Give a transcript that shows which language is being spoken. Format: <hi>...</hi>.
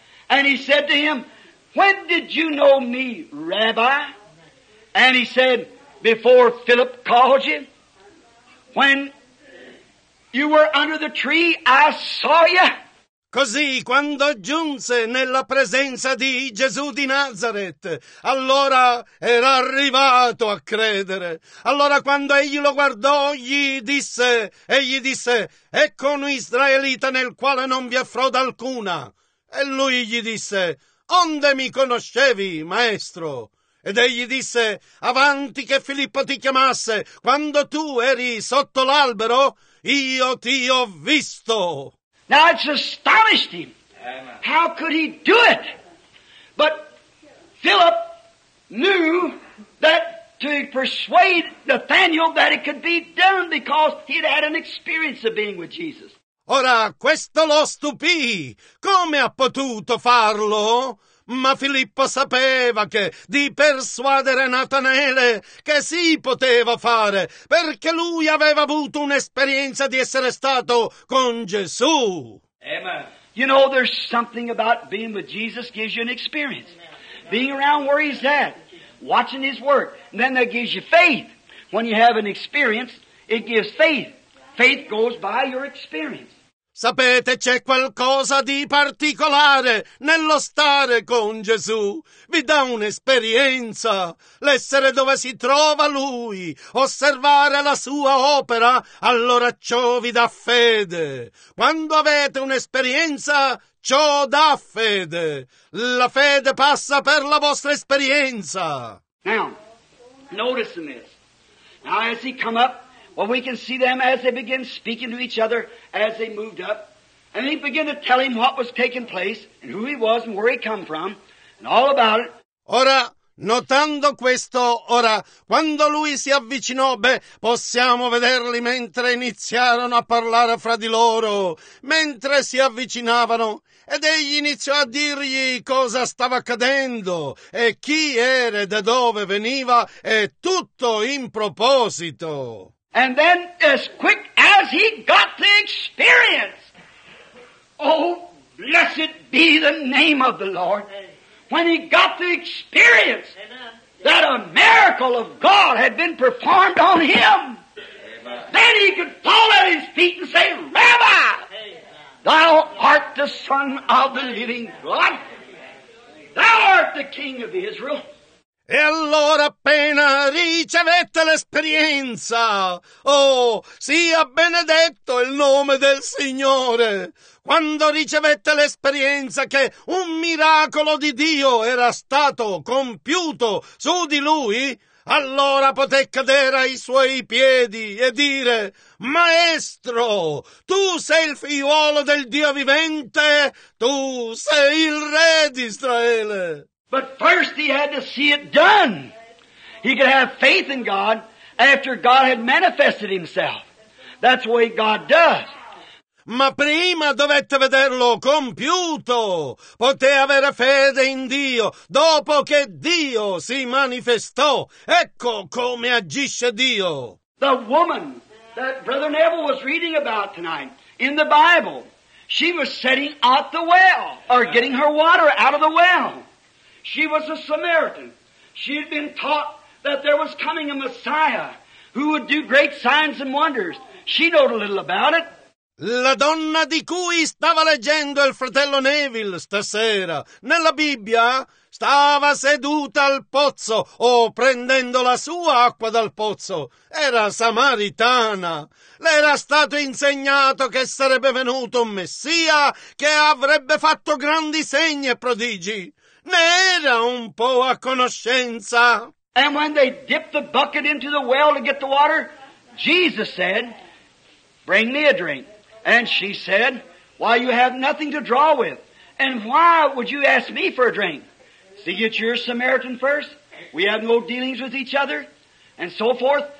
<en>And he said to him, when did you know me, Rabbi? And he said, before Philip called you, when you were under the tree, I saw you.</en> <it>Così, quando giunse nella presenza di Gesù di Nazareth, allora era arrivato a credere. Allora, quando egli lo guardò, egli disse, ecco un israelita nel quale non vi è frode alcuna. E lui gli disse, onde mi conoscevi, maestro? Ed egli disse, avanti che Filippo ti chiamasse, quando tu eri sotto l'albero, io ti ho visto.</it> <en>Now it's astonished him. Amen. How could he do it? But Philip knew that to persuade Nathanael that it could be done because he'd had an experience of being with Jesus.</en> <it>Ora, questo lo stupì. Come ha potuto farlo? Ma Filippo sapeva che di persuadere Natanaele che si poteva fare, perché lui aveva avuto un'esperienza di essere stato con Gesù.</it> <en>Amen. You know, there's something about being with Jesus gives you an experience. Being around where he's at, watching his work, and then that gives you faith. When you have an experience, it gives faith. Faith goes by your experience.</en> <it>Sapete, c'è qualcosa di particolare nello stare con Gesù. Vi dà un'esperienza. L'essere dove si trova Lui, osservare la sua opera, allora ciò vi dà fede. Quando avete un'esperienza, ciò dà fede. La fede passa per la vostra esperienza.</it> <en>Now, notice this. Now, as he come up, well, we can see them as they begin speaking to each other as they moved up. And he began to tell him what was taking place and who he was and where he come from and all about it.</en> <it>Ora, notando questo, ora, quando lui si avvicinò, possiamo vederli mentre iniziarono a parlare fra di loro, mentre si avvicinavano. Ed egli iniziò a dirgli cosa stava accadendo e chi era e da dove veniva e tutto in proposito.</it> <en>And then, as quick as he got the experience, oh, Blessed be the name of the Lord. When he got the experience that a miracle of God had been performed on him, then he could fall at his feet and say, Rabbi, thou art the Son of the living God. Thou art the King of Israel.</en> <it>E allora appena ricevette l'esperienza, oh, sia benedetto il nome del Signore. Quando ricevette l'esperienza che un miracolo di Dio era stato compiuto su di lui, allora poté cadere ai suoi piedi e dire, Maestro, tu sei il figliuolo del Dio vivente, tu sei il re di Israele.</it> <en>But first he had to see it done. He could have faith in God after God had manifested himself. That's the way God does.</en> <it>Ma prima dovette vederlo compiuto. Poté avere fede in Dio dopo che Dio si manifestò. Ecco come agisce Dio.</it> <en>The woman that Brother Neville was reading about tonight in the Bible, she was setting out the well, or getting her water out of the well. She was a Samaritan. She had been taught that there was coming a Messiah who would do great signs and wonders. She knew a little about it.</en> <it>La donna di cui stava leggendo il fratello Neville stasera nella Bibbia stava seduta al pozzo o prendendo la sua acqua dal pozzo. Era samaritana. Le era stato insegnato che sarebbe venuto un Messia che avrebbe fatto grandi segni e prodigi. Ne era un po' a conoscenza.</it> <en>And when they dipped the bucket into the well to get the water, Jesus said, Bring me a drink. And she said, Why, you have nothing to draw with. And why would you ask me for a drink? See, it's your Samaritan first. We have no dealings with each other. And so forth.</en>